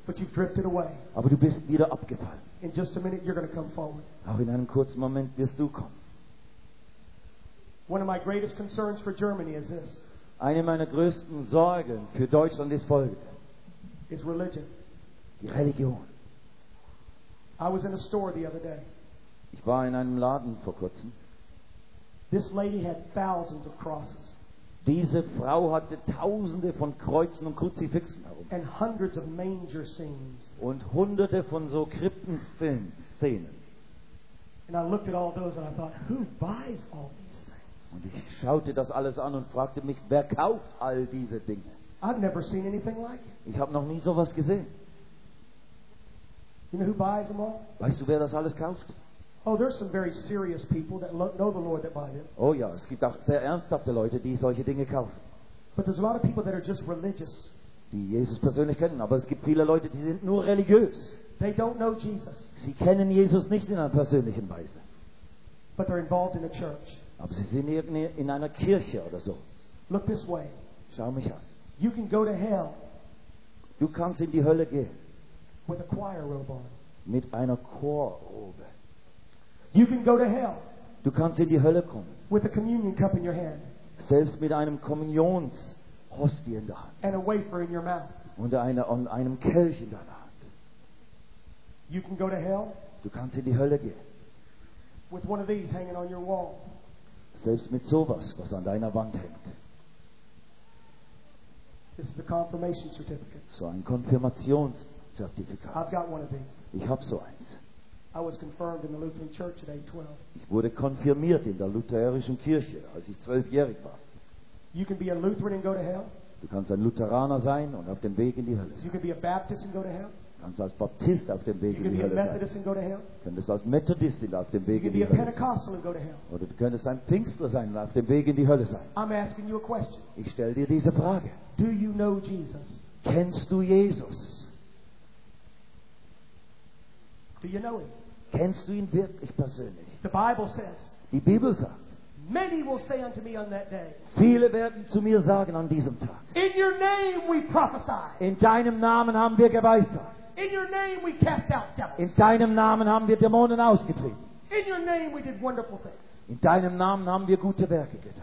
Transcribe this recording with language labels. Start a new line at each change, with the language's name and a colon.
English: But you've drifted away.
German: Aber du bist wieder abgefallen.
English: In just a minute you're going to come forward.
German: Auch in einem kurzen Moment wirst du kommen.
English: One of my greatest concerns for Germany is this.
German: Eine meiner größten Sorgen für Deutschland ist folgende.
English: Is religion.
German: Die Religion.
English: I was in a store the other day.
German: Ich war in einem Laden vor kurzem.
English: This lady had thousands of crosses.
German: Diese Frau hatte tausende von Kreuzen und Kruzifixen herum.
English: And hundreds of manger scenes.
German: Und hunderte von so Krippenszenen.
English: And I looked at all those and I thought, who buys all these things?
German: Und ich schaute das alles an und fragte mich, wer kauft all diese Dinge?
English: I've never seen anything like it.
German: Ich habe noch nie sowas gesehen.
English: You know who buys them all?
German: Weißt du, wer das alles kauft?
English: Oh, there's some very serious people that know the Lord that buy them.
German: Oh ja, es gibt auch sehr ernsthafte Leute, die solche Dinge kaufen.
English: But there's a lot of people that are just religious.
German: Die Jesus persönlich kennen, aber es gibt viele Leute, die sind nur religiös.
English: They don't know Jesus.
German: Sie kennen Jesus nicht in einer persönlichen Weise.
English: But they're involved in a church.
German: Aber sie sind irgendwie in einer Kirche oder so.
English: Look this way.
German: Schau mich an.
English: You can go to hell.
German: Du kannst in die Hölle gehen.
English: With a choir robe on.
German: Mit einer Chorrobe.
English: You can go to hell.
German: Du kannst in die Hölle kommen.
English: With a communion cup in your hand.
German: Selbst mit einem Kommunionshostie in der Hand.
English: And a wafer in your mouth.
German: Und einem Kelch in deiner Hand.
English: You can go to hell.
German: Du kannst in die Hölle gehen.
English: With one of these hanging on your wall.
German: Selbst mit sowas, was an deiner Wand hängt.
English: This is a confirmation certificate.
German: So ein Konfirmationszertifikat.
English: I've got one of these.
German: Ich habe so eins.
English: I was confirmed in the Lutheran Church at age 12.
German: Ich wurde konfirmiert in der lutherischen Kirche, als ich 12-jährig war.
English: You can be a Lutheran and go to hell.
German: Du kannst ein Lutheraner sein und auf dem Weg in die Hölle sein.
English: You can be a Baptist and go to hell.
German: Du kannst als Baptist auf dem Weg in die Hölle sein. Du könntest als Methodist auf dem Weg in die Hölle sein. Oder du könntest ein Pfingstler sein und auf dem Weg in die Hölle sein.
English: I'm asking you a question.
German: Ich stelle dir diese Frage.
English: Do you know Jesus?
German: Kennst du Jesus?
English: Do you know him?
German: Kennst du ihn wirklich persönlich?
English: The Bible says,
German: die Bibel sagt,
English: many will say unto me on that day.
German: Viele werden zu mir sagen an diesem Tag.
English: In your name we prophesy.
German: In deinem Namen haben wir geweissagt.
English: In your name we cast out devils.
German: In deinem Namen haben wir Dämonen ausgetrieben.
English: In your name we did wonderful things.
German: In deinem Namen haben wir gute Werke getan.